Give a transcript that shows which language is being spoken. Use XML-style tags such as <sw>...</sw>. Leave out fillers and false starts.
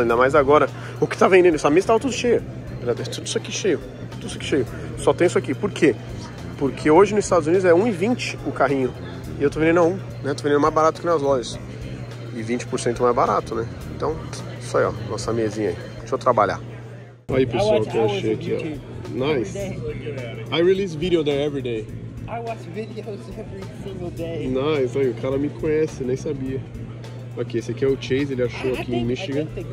<pt>Ainda mais agora, o que tá vendendo? Essa mesa tava tudo cheia. Tudo isso aqui cheio. Tudo isso aqui cheio. Só tem isso aqui. Por quê? Porque hoje nos Estados Unidos é $1,20 o carrinho. E eu tô vendendo a $1, né? Tô vendendo mais barato que nas lojas. E 20% mais barato, né? Então, isso aí, ó. Nossa mesinha aí. Trabalhar. Aí pessoal, que eu achei aqui, ó.</pt> <en>Nice. I release video there every day. I watch videos every single day.</en> <pt>Nice, aí o cara me conhece, nem sabia. Aqui, esse aqui é o Chase, ele achou aqui em Michigan.</pt>